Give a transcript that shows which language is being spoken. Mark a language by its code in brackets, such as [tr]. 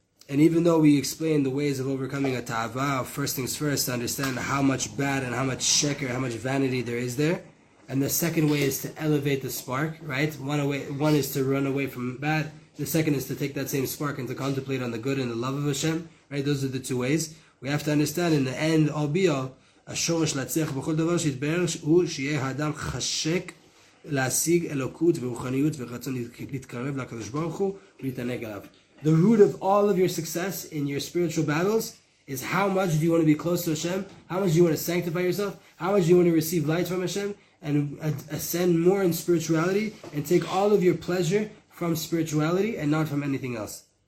[en] And even though we explain the ways of overcoming a ta'ava, first things first, to understand how much bad and how much sheker, how much vanity there is there. And the second way is to elevate the spark, right? One is to run away from bad. The second is to take that same spark and to contemplate on the good and the love of Hashem, right? Those are the two ways. We have to understand in the end, all be all, [he] השורש להצליח בכל דבר שיתברר הוא שיהיה האדם חשק להשיג אלוקות ורוחניות ורצון להתקרב לקדוש ברוך הוא ולהתענג עליו. [en] The root of all of your success in your spiritual battles is how much do you want to be close to Hashem? How much do you want to sanctify yourself? How much do you want to receive light from Hashem and ascend more in spirituality and take all of your pleasure from spirituality and not from anything else?